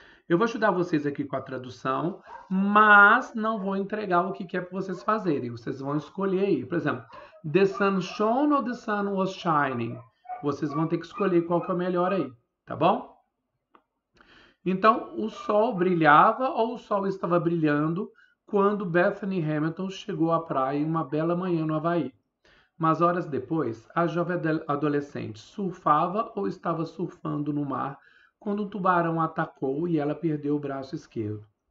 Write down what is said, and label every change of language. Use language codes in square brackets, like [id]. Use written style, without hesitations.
[pt] Eu vou ajudar vocês aqui com a tradução, mas não vou entregar o que é para vocês fazerem. Vocês vão escolher aí. Por exemplo, [en] the sun shone or the sun was shining? [pt] Vocês vão ter que escolher qual que é o melhor aí, tá bom? Então, o sol brilhava ou o sol estava brilhando quando Bethany Hamilton chegou à praia em uma bela manhã no Havaí. Mas horas depois, a jovem adolescente surfava ou estava surfando no mar quando um tubarão atacou e ela perdeu o braço esquerdo.